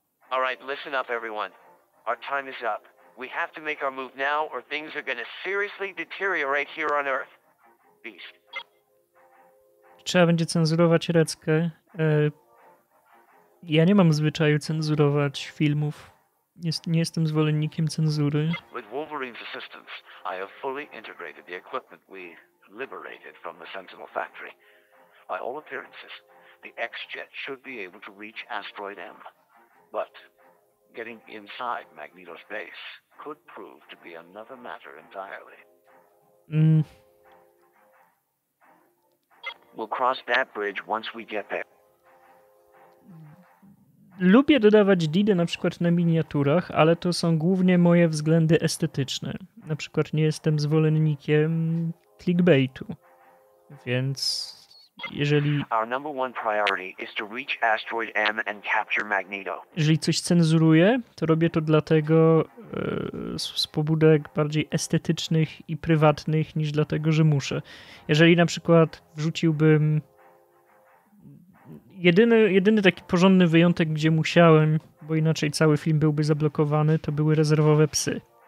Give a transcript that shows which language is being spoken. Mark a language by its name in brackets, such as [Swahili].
[English] All right, listen up, everyone. Our time is up. We have to make our move now, or things are going to seriously deteriorate here on Earth. Beast. [Polish] Trzeba będzie cenzurować Reckę. Ja nie mam zwyczaju cenzurować filmów. Nie jestem zwolennikiem cenzury. [English] With Wolverine's assistance, I have fully integrated the equipment we liberated from the Sentinel factory. By all appearances, the X-Jet should be able to reach Asteroid M. But getting inside Magneto's base could prove to be another matter entirely. We'll cross that bridge once we get there. [Polish] Lubię dodawać didy na przykład na miniaturach, ale to są głównie moje względy estetyczne. Na przykład nie jestem zwolennikiem clickbaitu, więc jeżeli... [English] Our number one priority is to reach Asteroid M and capture Magneto. [Polish] Jeżeli coś cenzuruję, to robię to dlatego z pobudek bardziej estetycznych i prywatnych niż dlatego, że muszę. Jeżeli na przykład wrzuciłbym... Jedyny taki porządny wyjątek, gdzie musiałem, bo inaczej cały film byłby zablokowany, to były rezerwowe psy.